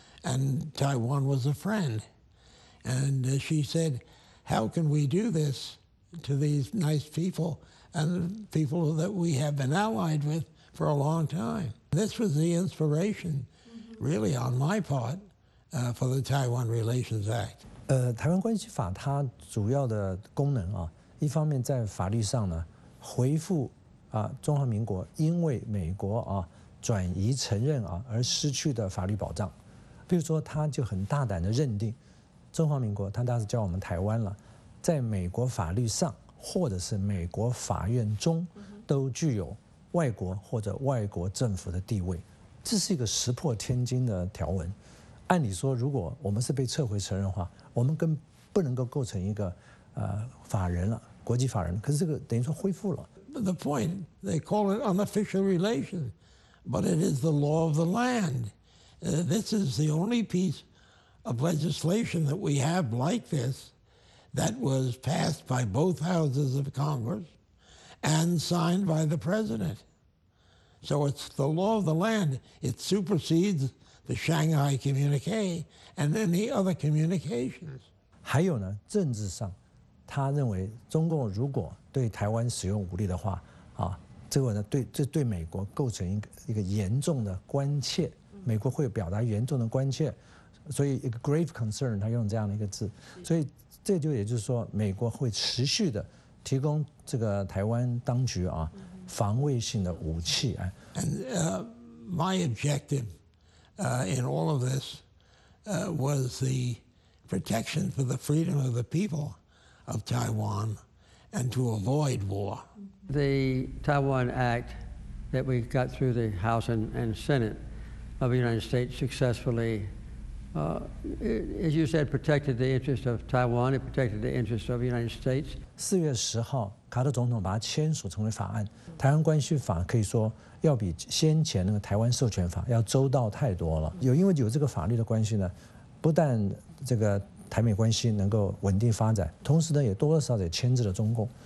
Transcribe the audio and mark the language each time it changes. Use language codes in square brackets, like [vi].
[en] And Taiwan was a friend. And she said, how can we do this to these nice people and people that we have been allied with for a long time. This was the inspiration, really, on my part, for the Taiwan Relations Act. [zh] 台湾关系法它主要的功能啊，一方面在法律上呢，回复啊中华民国因为美国啊转移承认啊而失去的法律保障，比如说他就很大胆的认定，中华民国他当时叫我们台湾了，在美国法律上或者是美国法院中都具有外国或者外国政府的地位，这是一个石破天惊的条文。按理说，如果我们是被撤回承认的话，我们更不能够构成一个法人了。国际法人，可是这个等于说恢复了。 [en] The point they call it unofficial relations, but it is the law of the land. This is the only piece of legislation that we have like this that was passed by both houses of Congress and signed by the president. So it's the law of the land. It supersedes the Shanghai communique and any other communications. [zh] 还有呢，政治上。他认为中共如果对台湾使用武力的话，啊，这个呢对这对美国构成一个严重的关切，美国会表达严重的关切，所以一个 [en] grave concern， [zh] 他用这样的一个字，所以这就也就是说，美国会持续的提供这个台湾当局啊防卫性的武器啊。 [en] And my objective in all of this was the protection for the freedom of the people. Of Taiwan and to avoid war. The Taiwan Act that we got through the House and Senate of the United States successfully, as you said, protected the interest of Taiwan, it protected the interest of the United States. [zh] 4月10号，卡特总统把它签署成为法案。台湾关系法可以说要比先前那个台湾授权法要周到太多了。有因为有这个法律的关系呢，不但这个。台美关系能够稳定发展，同时呢，也多多少少也牵制了中共。